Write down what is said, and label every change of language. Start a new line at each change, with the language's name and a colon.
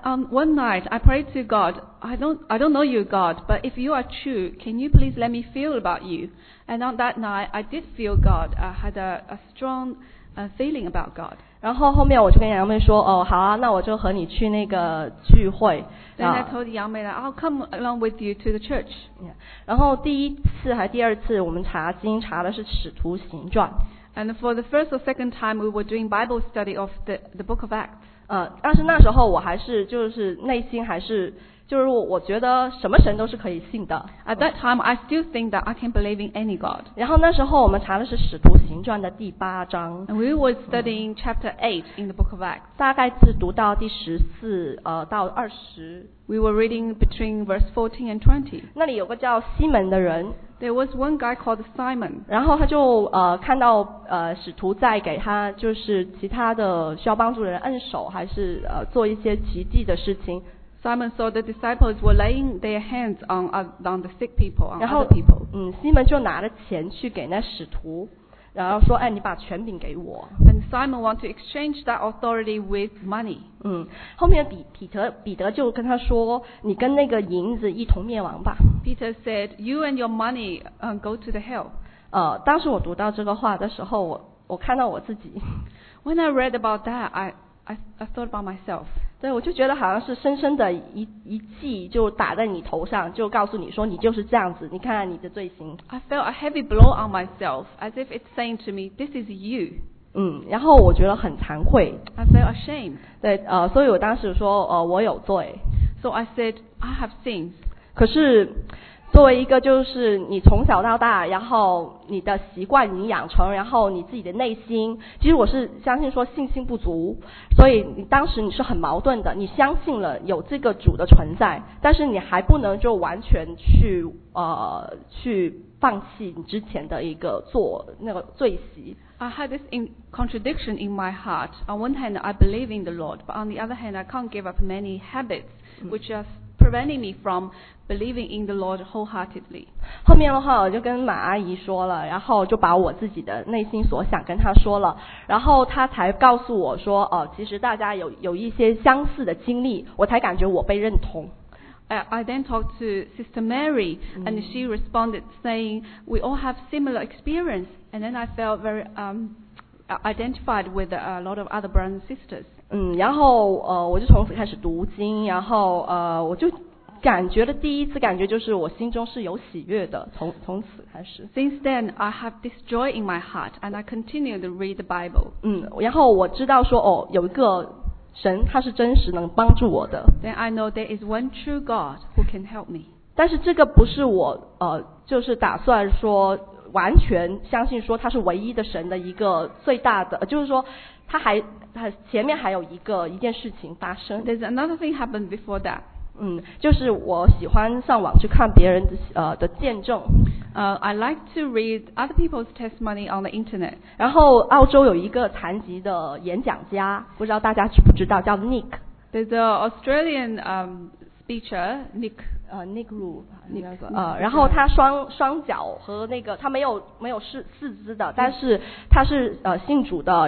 English: One night I prayed to God. I don't know you, God, but if you are true, can you please let me feel about you? And on that night, I did feel God. I had a strong feeling about God.
Chinese: 然后后面我就跟杨妹说，哦，好啊，那我就和你去那个聚会。
English: Then I told 杨妹 I'll come along with you to the church.
Chinese: 然后第一次还第二次，我们查经查的是《使徒行传》。
English: And for the first or second time, we were doing Bible study of the Book of Acts.
Chinese: 但是那时候我还是就是内心还是就是我觉得什么神都是可以信的。
English: At that time, I still think that I can believe in any God.
Chinese: 然后那时候我们查的是《使徒行传》的第八章。
English: And we were studying chapter 8 in the Book of Acts.
Chinese: 大概是读到第十四到二十。
English: We were reading between verse 14 and 20.
Chinese: 那里有个叫西门的人。
English: There was one guy called Simon.
Chinese: 然后他就看到使徒在给他就是其他的需要帮助的人按手，还是做一些奇迹的事情。
English: Simon saw the disciples were laying their hands on the sick people, on other people.
Chinese: 西门就拿着钱去给那使徒，然后说，哎，你把权柄给我。
English: And Simon wanted to exchange that authority with money.
Chinese: 后面彼得就跟他说，你跟那个银子一同灭亡吧。
English: Peter said, you and your money go to the hell.
Chinese: 当时我读到这个话的时候，我看到我自己。
English: When I read about that, I thought about myself.
Chinese: 对，我就觉得好像是深深的一记就打在你头上，就告诉你说你就是这样子，你看看你的罪行。
English: I felt a heavy blow on myself, as if it's saying to me, this is you.
Chinese: 然后我觉得很惭愧。
English: I felt ashamed.
Chinese: 对，所以我当时说，我有罪。
English: So I said, I have sins.
Chinese: 可是作为一个就是你从小到大，然后你的习惯你养成，然后你自己的内心，其实我是相信说信心不足，所以你当时你是很矛盾的，你相信了有这个主的存在，但是你还不能就完全去放弃你之前的一个做那个罪习。
English: I had this contradiction in my heart. On one hand, I believe in the Lord, but on the other hand, I can't give up many habits, which are preventing me from believing in the Lord wholeheartedly.
Chinese: 后面的话我就跟马阿姨说了，然后就把我自己的内心所想跟她说了，然后她才告诉我说，其实大家有一些相似的经历，我才感觉我被认同。
English: I then talked to Sister Mary, and she responded saying, "We all have similar experience." And then I felt very identified with a lot of other brothers and sisters.
Chinese: 然后我就从此开始读经，然后我就感觉的第一次感觉就是我心中是有喜悦的，从此开始。
English: Since then, I have this joy in my heart, and I continue to read the Bible.
Chinese: 然后我知道说，哦，有一个神他是真实能帮助我的。
English: Then I know there is one true God who can help me.
Chinese: 但是这个不是我就是打算说完全相信说他是唯一的神的一个最大的，就是说他前面还有一件事情发生。
English: There's another thing happened before that.
Chinese: 就是我喜欢上网去看别人的见证。
English: I like to read other people's testimony on the internet.
Chinese: 然后澳洲有一个残疾的演讲家，不知道大家知不知道，叫 Nick.
English: There's an Australian speaker, Nick.
Chinese: Nick Roo, 然后他双脚和那个他没有四肢的，但是他是信主的。